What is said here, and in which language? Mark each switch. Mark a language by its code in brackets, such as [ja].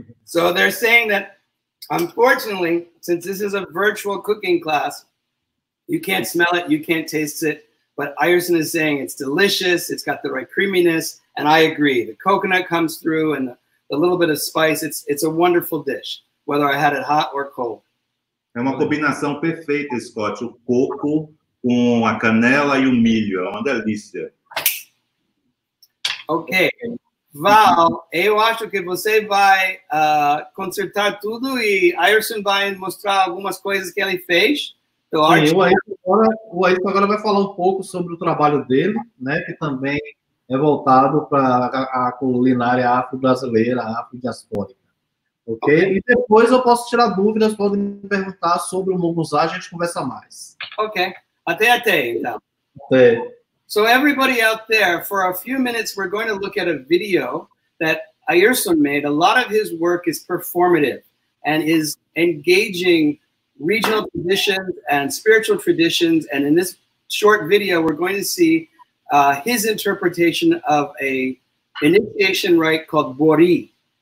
[en] So they're saying that unfortunately, since this is a virtual cooking class, you can't smell it, you can't taste it, but Ayerson is saying it's delicious, it's got the right creaminess, and I agree. The coconut comes through and the little bit of spice, it's a wonderful dish, whether I had it hot or cold. [pt] É uma combinação perfeita, Scott, o coco com a canela e o milho, é uma delícia. Okay. Val, eu acho que você vai consertar tudo e Ayerson vai mostrar algumas coisas que ele fez. Então, o Ayerson agora vai falar um pouco sobre o trabalho dele, né, que também é voltado para a culinária afro-brasileira, afro-diaspórica. Okay? Ok? E depois eu posso tirar dúvidas, podem perguntar sobre o mugunzá, a gente conversa mais. Ok. Até, então. Até. [en] So everybody out there, for a few minutes, we're going to look at a video that Ayerson made. A lot of his work is performative and is engaging regional traditions and spiritual traditions. And in this short video, we're going to see his interpretation of a initiation rite called Bori.